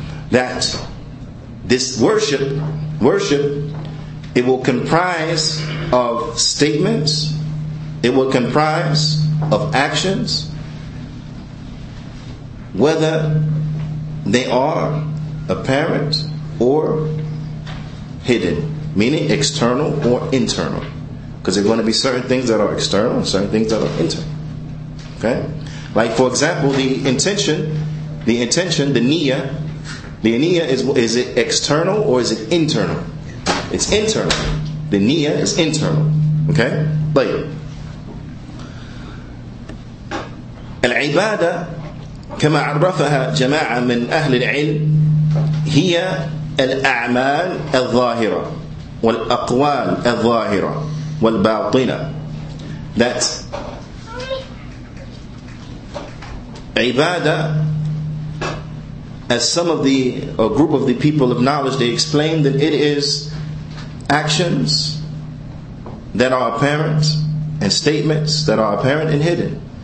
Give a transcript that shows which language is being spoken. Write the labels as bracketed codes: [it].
[en] That this worship, it will comprise of statements, it will comprise of actions, whether they are apparent or hidden, meaning external or internal. Because there are going to be certain things that are external and certain things that are internal. Okay? Like, for example, the intention, the niyyah is it external or is it internal? It's internal. The niyyah is internal. Okay? But al-ibadah, [ar] كما عرفها جماعة من أهل العلم هي الأعمال الظاهرة والأقوال الظاهرة والباطنة. [en] That ibadah, as some of the or group of the people of knowledge, they explained that it is actions that are apparent and statements that are apparent and hidden.